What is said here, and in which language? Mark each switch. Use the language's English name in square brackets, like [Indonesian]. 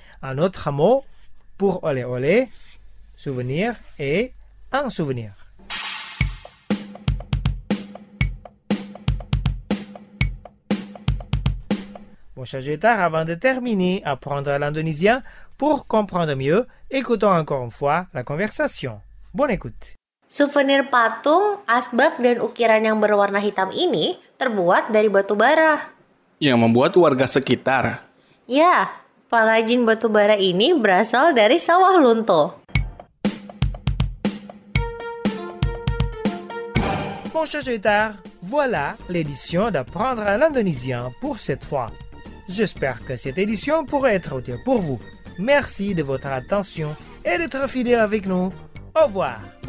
[French] Un autre mot pour olé, olé, souvenir est un souvenir. Bon, chers auditeurs, avant de terminer, apprendre l'indonésien pour comprendre mieux, écoutons encore une fois la conversation. Bonne écoute. [Indonesian] Souvenir patung, asbak, dan ukiran yang berwarna hitam ini terbuat dari batu bara. Yang membuat warga sekitar. Ya, pengrajin batu bara ini berasal dari sawah lunto. [French] Mon cher auditeur, voilà l'édition d'apprendre l'indonésien pour cette fois. J'espère que cette édition pourra être utile pour vous. Merci de votre attention et d'être fidèle avec nous. Au revoir.